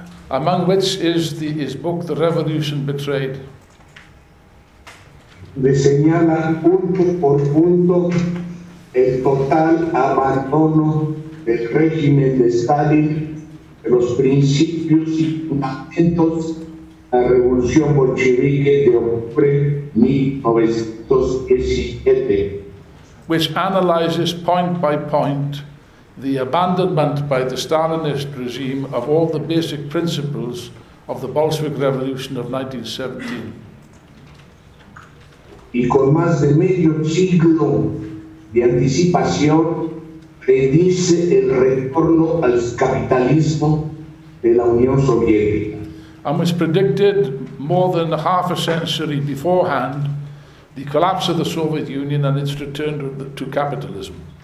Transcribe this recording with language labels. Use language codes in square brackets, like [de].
[en] Among which is his book The Revolution Betrayed. [es] Le señala punto por punto el total abandono del régimen de Stalin, de los principios y fundamentos de la revolución bolchevique de octubre 1917. [en] Which analyzes point by point the abandonment by the Stalinist regime of all the basic principles of the Bolshevik Revolution of 1917. [es] Y con más de medio siglo de anticipación, predice el retorno al capitalismo de la Unión Soviética. [en] And was predicted more than half a century beforehand, the collapse of the Soviet Union and its return to capitalism.